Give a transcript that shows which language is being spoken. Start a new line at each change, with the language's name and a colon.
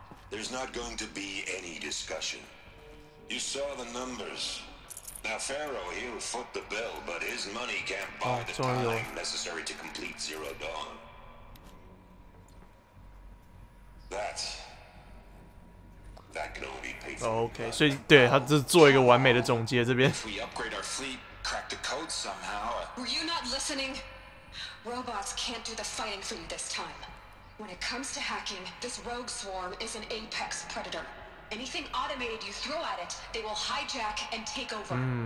English: There's not going to be any discussion. You saw the numbers. Now, Pharaoh, he'll foot the bill, but his money can't buy the time necessary to complete Zero Dawn. That can only be paid for.
Chinese: Okay, 所以对他这是做一个完美的总结。这边。
English: If we upgrade our fleet, crack the code somehow. Were you not listening? Robots can't do the fighting for you this time. When it comes to hacking, this rogue swarm is an apex predator. Anything automated you throw at it, they will hijack and take over.